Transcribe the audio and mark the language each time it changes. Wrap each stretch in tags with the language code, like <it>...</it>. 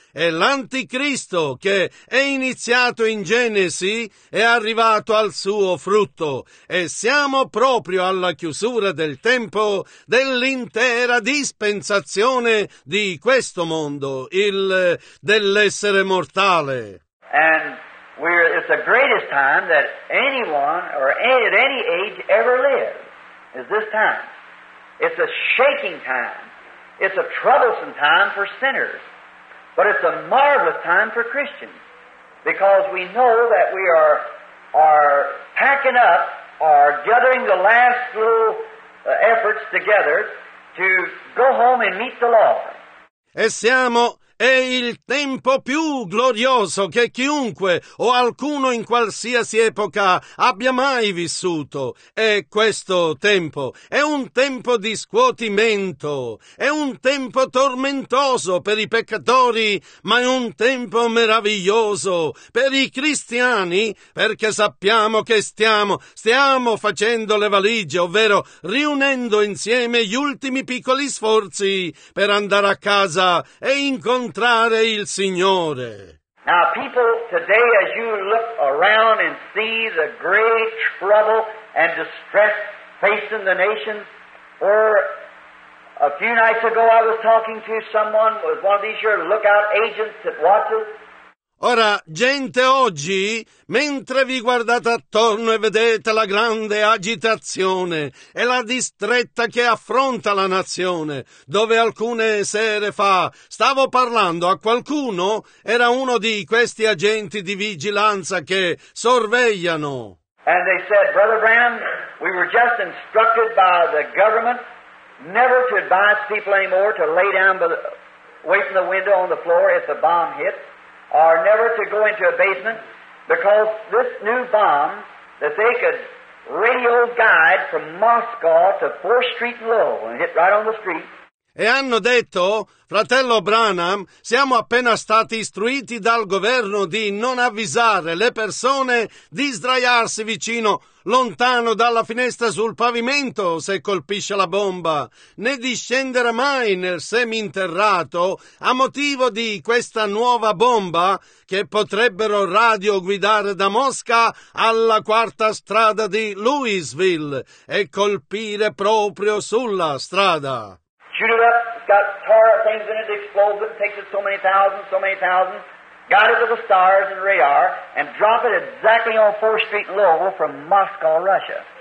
<it>E l'Anticristo che è iniziato in Genesi è arrivato al suo frutto. E siamo proprio alla chiusura del tempo dell'intera dispensazione di questo mondo, dell'essere mortale.</it> <en>It's the greatest time that anyone or at any age ever lived is this time. It's a shaking time. It's a troublesome time for sinners. But it's a marvelous time for Christians, because we know that we are packing up, are gathering the last little efforts together to go home and meet the Lord.</en> <it>E siamo... È il tempo più glorioso che chiunque o alcuno in qualsiasi epoca abbia mai vissuto. È questo tempo. È un tempo di scuotimento. È un tempo tormentoso per i peccatori, ma è un tempo meraviglioso per i cristiani, perché sappiamo che stiamo facendo le valigie, ovvero riunendo insieme gli ultimi piccoli sforzi per andare a casa e incontrare entrare il Signore.</it> <en>Now, people, today as you look around and see the great trouble and distress facing the nation, or a few nights ago I was talking to someone with one of these your lookout agents that watches.</en> <it>Ora, gente, oggi, mentre vi guardate attorno e vedete la grande agitazione e la distretta che affronta la nazione, dove alcune sere fa stavo parlando a qualcuno, era uno di questi agenti di vigilanza che sorvegliano.</it> <en>And they said, Brother Branham, we were just instructed by the government never to advise people anymore to lay down by the, wait in the window on the floor if the bomb hits. Are never to go into a basement because this new bomb that they could radio guide from Moscow to 4th Street Low and hit right on the street.</en> <it>E hanno detto, fratello Branham, siamo appena stati istruiti dal governo di non avvisare le persone di sdraiarsi vicino, lontano dalla finestra sul pavimento se colpisce la bomba, né di scendere mai nel seminterrato a motivo di questa nuova bomba che potrebbero radio guidare da Mosca alla quarta strada di Louisville e colpire proprio sulla strada.</it> <en>Shoot it up, it's got tar things in it, explodes it, takes it so many thousands, got it to the stars and radar, and drop it exactly on 4th Street in Louisville from Moscow, Russia.</en>